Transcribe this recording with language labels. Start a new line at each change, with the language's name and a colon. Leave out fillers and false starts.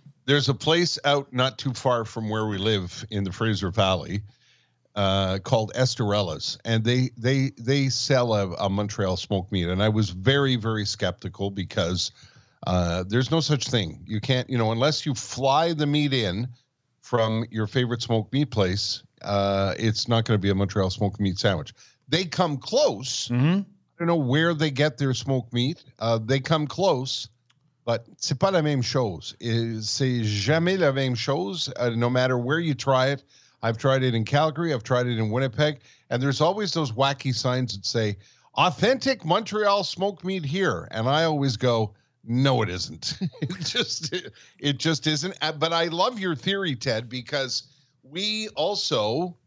English: There's a place out not too far from where we live in the Fraser Valley called Estarella's, and they sell a Montreal smoked meat, and I was very, very skeptical because... there's no such thing. You can't, you know, unless you fly the meat in from your favorite smoked meat place, it's not going to be a Montreal smoked meat sandwich. They come close. Mm-hmm. I don't know where they get their smoked meat. They come close, but
French: c'est pas la même chose. C'est jamais la même chose,
English: no matter where you try it. I've tried it in Calgary. I've tried it in Winnipeg. And there's always those wacky signs that say, authentic Montreal smoked meat here. And I always go, no, it isn't. It just isn't. But I love your theory, Ted, because we also